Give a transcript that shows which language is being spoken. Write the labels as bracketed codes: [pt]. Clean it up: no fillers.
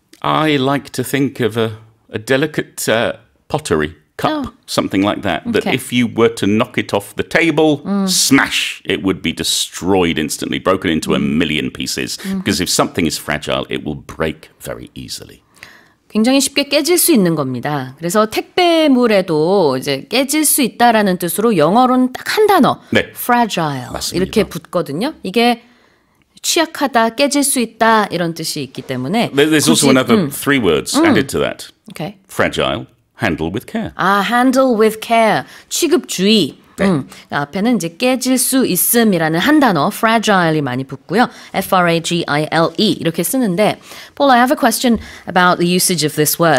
[en] I like to think of a delicate pottery cup, something like that, that if you were to knock it off the table, smash, it would be destroyed instantly, broken into a million pieces. Mm-hmm. Because if something is fragile, it will break very easily. [ko] 굉장히 쉽게 깨질 수 있는 겁니다. 그래서 택배물에도 이제 깨질 수 있다라는 뜻으로 영어로는 딱 한 단어, 네. [en] fragile [ko] 맞습니다. 이렇게 붙거든요. 이게 취약하다, 깨질 수 있다 이런 뜻이 있기 때문에 [en] There's [ko] 굳이, [en] also another three words added to that. Okay. Fragile, handle with care. [ko] 아, [en] handle with care, [ko] 취급주의. 네. 앞에는 이제 깨질 수 있음이라는 한 단어 fragile이 많이 붙고요. [en] F-R-A-G-I-L-E [ko] 이렇게 쓰는데 [en] Paul, I have a question about the usage of this word.